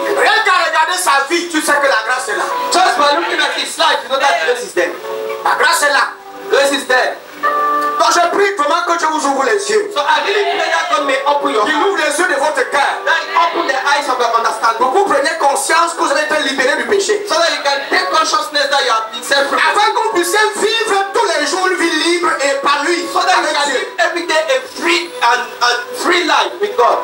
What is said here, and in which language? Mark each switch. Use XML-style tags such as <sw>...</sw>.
<fr>Rien qu'à regarder sa vie, tu sais que la grâce est là.</fr> <en>Just by looking at his life, you know that grace is there.</en> <fr>La grâce est là.</fr> <en>Grace is there.</en> <fr>Donc je prie vraiment que Dieu vous ouvre les yeux.</fr> <en>So I really pray that God may open your heart.</en> <fr>Il ouvre les yeux de votre cœur.</fr> <en>Open the eyes of your understanding.</en> <fr>Pour que vous preniez conscience que vous allez être libéré du péché.</fr> <en>So that you can take consciousness that you have been set free.</en> <fr>Afin que vous puissiez vivre tous les jours une vie libre et par lui.</fr> <en>So that you can live every day a free and a free life with God.</en>